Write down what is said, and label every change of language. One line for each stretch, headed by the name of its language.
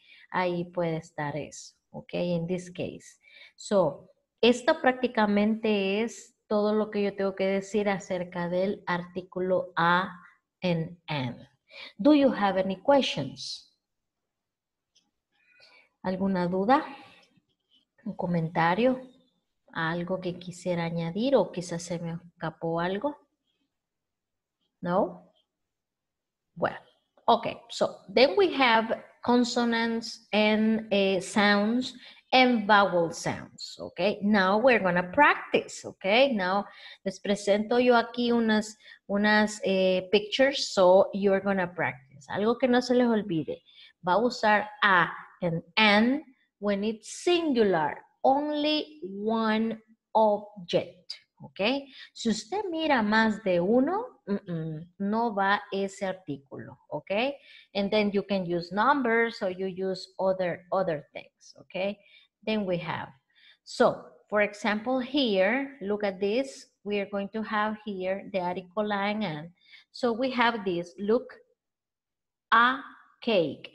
Spanish: Ahí puede estar eso, ¿ok?
English: In this case.
Spanish: So, esto prácticamente es todo lo que yo tengo que decir acerca del artículo A and N.
English: Do you have any questions?
Spanish: ¿Alguna duda? ¿Un comentario? ¿Algo que quisiera añadir o quizás se me escapó algo? ¿No? Bueno, ok.
English: So, then we have consonants and sounds and vowel sounds, okay? Now we're gonna practice, okay? Now,
Spanish: les presento yo aquí unas
English: pictures, so you're gonna practice.
Spanish: Algo que no se les olvide, va a usar a and an
English: when it's singular, only one object,
Spanish: okay? Si usted mira más de uno, no va ese artículo, okay?
English: And then you can use numbers or you use other things, okay? Then we have, so, for example, here, look at this. We are going to have here the article and an. So we have this, look, a cake.